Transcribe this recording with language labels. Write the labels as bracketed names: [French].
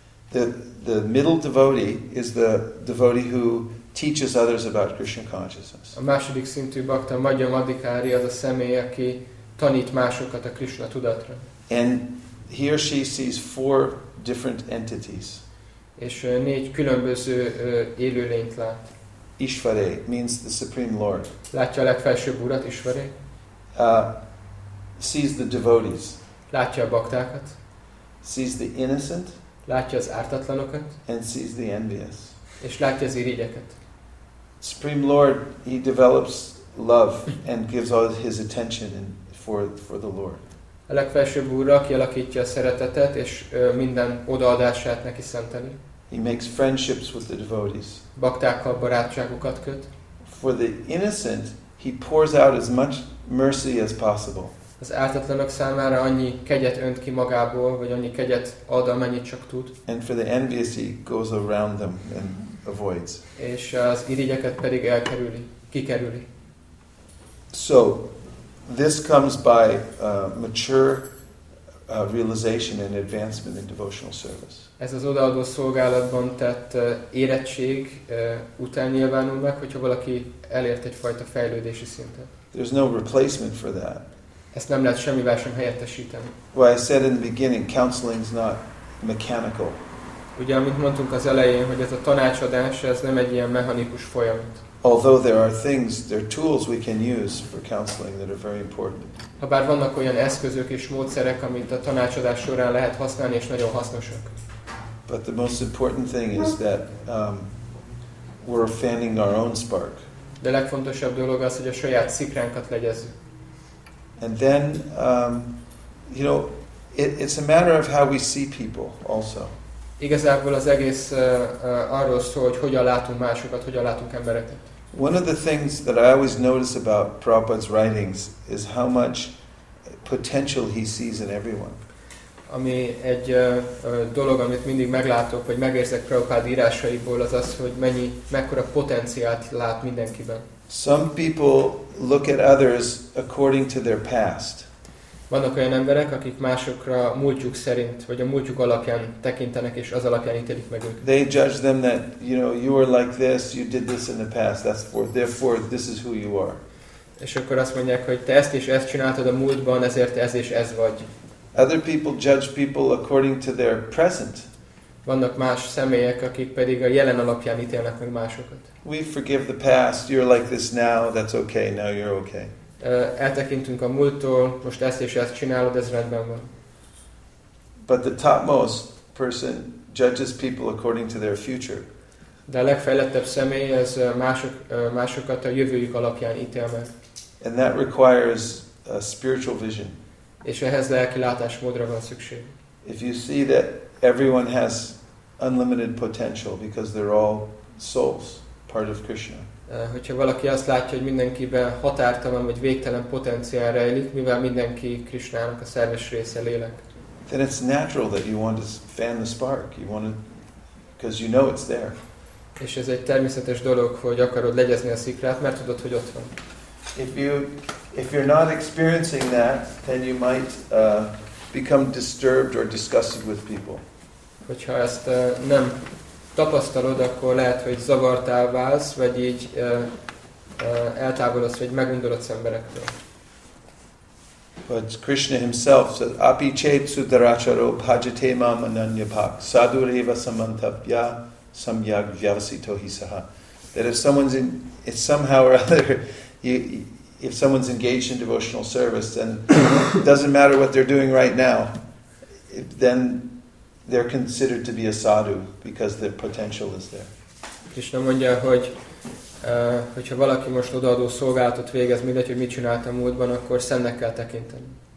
[English] The middle devotee is the devotee who teaches others about Krishna consciousness. [Hungarian] A második szintű bakta, Madhyamadikari, az a személy, aki tanít másokat a Krishna tudatra. [English] And he or she sees four different entities. [Hungarian] És négy különböző élőlényt lát. [English] Ishvare means the Supreme Lord. [Hungarian] Látja a legfelsőbb Urat, Ishvare. [English] Sees the devotees. [Hungarian] Látja a baktákat. [English] Sees the innocent. [Hungarian] Látja az ártatlanokat. [English] And sees the envious. [Hungarian] És látja az irigyeket. [English] Supreme Lord, he develops love and gives all his attention in, for the Lord. [Hungarian] A legfelsőbb Úrra kialakítja a szeretetet és minden odaadását neki szenteli. [English] He makes friendships with the devotees. [Hungarian] Baktákkal barátságokat köt. [English] For the innocent, he pours out as much mercy as possible. [Hungarian] Az ártatlanok számára annyi kegyet önt ki magából, vagy annyi kegyet ad, amennyit csak tud. [English] And for the envious, he goes around them and avoids. [Hungarian] És az irigyeket pedig elkerüli, kikerüli. [English] So this comes by mature realization and advancement in devotional service. [Hungarian] Ez az odaadó szolgálatban tett érettség után nyilvánul meg, hogyha valaki elért egy fajta fejlődési szintet. [English] There's no replacement for that. [Hungarian] Ezt nem lehet semmivel sem helyettesíteni. [English] Well, I said in the beginning, counseling is not mechanical. [Hungarian] Ugye, amit mondtunk az elején, hogy ez a tanácsadás, ez nem egy ilyen mechanikus folyamat. [English] Although there are things, there are tools we can use for counseling that are very important. [Hungarian] Habár vannak olyan eszközök és módszerek, amit a tanácsadás során lehet használni, és nagyon hasznosak. [English] But the most important thing is that we're fanning our own spark. [Hungarian] De legfontosabb dolog az, hogy a saját szikránkat legyezzük. [English] And then, you know, it's a matter of how we see people also. [Hungarian] Igazából az egész arról szól, hogy hogyan látunk másokat, hogyan látunk embereket. [English] One of the things that I always notice about Prabhupada's writings is how much potential he sees in everyone. [Hungarian] Ami egy dolog, amit mindig meglátok, vagy megérzek Prabhupada írásaiból, az az, hogy mennyi, mekkora potenciált lát mindenkiben. [English] Some people look at others according to their past. [Hungarian] Vannak olyan emberek, akik másokra múltjuk szerint, vagy a múltjuk alapján tekintenek, és az alapján ítélik meg őket. [English] They judge them that, you know, you are like this, you did this in the past, that's for, therefore this is who you are. [Hungarian] És akkor azt mondják, hogy te ezt és ezt csináltad a múltban, ezért ez és ez vagy. [English] Other people judge people according to their present. [Hungarian] Vannak más személyek, akik pedig a jelen alapján ítélnek meg másokat. [English] We forgive the past, you're like this now, that's okay, now you're okay. [Hungarian] eltekintünk a múlttól, most ezt és ezt csinálod, ez rendben van. [English] But the topmost person judges people according to their future. [Hungarian] De a legfejlettebb személy ez másokat a jövőjük alapján ítél meg. [English] And that requires a spiritual vision. [Hungarian] És ehhez lelki látásmódra van szükség. [English] If you see that everyone has unlimited potential because they're all souls, part of Krishna. [Hungarian] Hogyha valaki azt látja, hogy mindenkiben határtalan vagy végtelen potenciál rejlik, mivel mindenki Krishnának a szerves része, lélek. [English] Then it's natural that you want to fan the spark. You want it because you know it's there. [Hungarian] És ez egy természetes dolog, hogy akarod legyezni a szikrát, mert tudod, hogy ott van. [English] If you're not experiencing that, then you might become disturbed or disgusted with people. [Hungarian] Hogyha ezt nem tapasztalod, akkor lehet, hogy zavartá válsz, vagy így eltávolodsz, vagy megundorodsz emberektől. [English] But Krishna himself said, [Sanskrit] "Api chet sudaracharo bhajate mam ananya bhak sadureva samantabhya samyag vyavasito hi saha." [English] That if someone's in, if somehow or other, if someone's engaged in devotional service, then it doesn't matter what they're doing right now, then they're considered to be a sadhu because their potential is there. [Hungarian] Krishna mondja, hogyha valaki most odaadó szolgálatot végez, mindegy, hogy mit csináltam múltban, akkor szennek kell tekinteni.